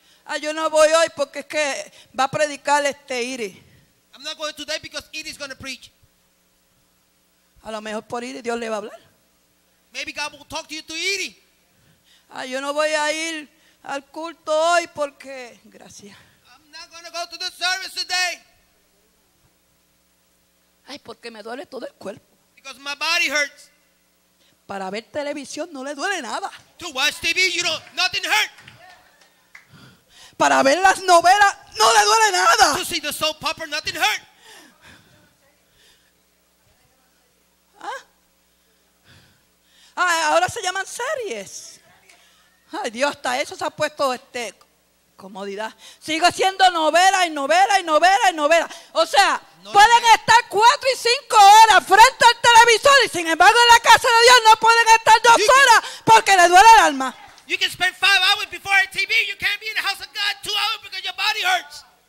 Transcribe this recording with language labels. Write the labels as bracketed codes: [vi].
[es] Ah, yo no voy hoy porque es que va a predicar Iris. [en] I'm not going today because Iris is going to preach. [es] A lo mejor por Iris Dios le va a hablar. [en] Maybe God will talk to you through Iris. [es] Ah, yo no voy a ir al culto hoy porque gracias. [en] I'm not going to go to the service today. [es] Ay, porque me duele todo el cuerpo. [en] Because my body hurts. [es] Para ver televisión no le duele nada. [en] To watch TV, you know, nothing hurts. [es] Para ver las novelas no le duele nada. [en] To see the soap opera, nothing hurt. [es] Ah, ahora se llaman series. Ay, Dios, hasta eso se ha puesto comodidad. Sigue siendo novela y novela y novela y novela. O sea, no pueden estar 4 y 5 horas frente al televisor y sin embargo en la casa de Dios no pueden estar 2 horas porque le duele el alma. [en] You can spend 5 hours before a TV. You can't be in the house of God 2 hours because your body hurts.